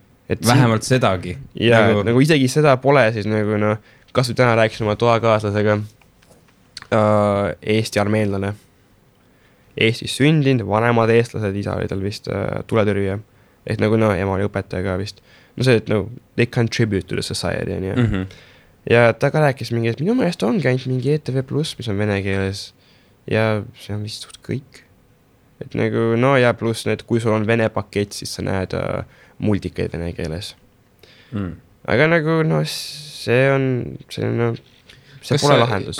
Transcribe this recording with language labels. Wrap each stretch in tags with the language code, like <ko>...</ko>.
<et>Et vähemalt siin, sedagi. Ja nagu, et, nagu isegi seda pole, siis nagu no, kas või täna rääkis oma toakaaslasega Eesti armeenlane. Eestis sündinud, vanemad eestlased, isa oli tal vist tuletõrjuja. Ehk nagu no, ema oli õpetajaga vist. No see, et no,</et> <en>they contribute to the society.</en> <et>Nii. Mm-hmm. Ja ta ka rääkis mingi, et minu mõelest on käinud mingi ETV plus, mis on vene keeles. Ja see on vist suht kõik. Et nagu, no ja plus, et kui sul on vene pakett, siis sa näed multikeid vene keeles. Mm. Aga nagu, no see on, see on, no, see kas pole sa, lahendus.</et>